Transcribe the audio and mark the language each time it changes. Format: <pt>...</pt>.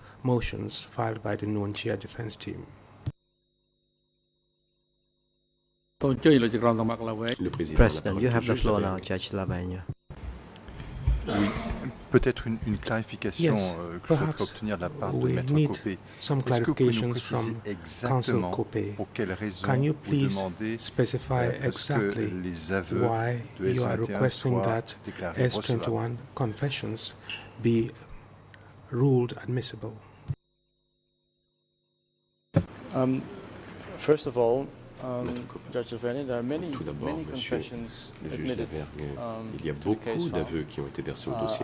<en>Motions filed by the Nguyen Chia defense team. President, you have the floor now, Judge Lavagne.</en> <fr>Peut-être une clarification que je voudrais obtenir de la part de Maître Copé.</fr> <en>Some clarifications from Counsel Copé.</en> <fr>Pour quelle raison vous demandez</fr> <en>specify exactly why you are requesting that S21 confessions be ruled admissible? First of all, Judge Lavagne, there are many confessions admitted.</en> <fr>Il y a beaucoup d'aveux qui ont été versés au dossier.</fr>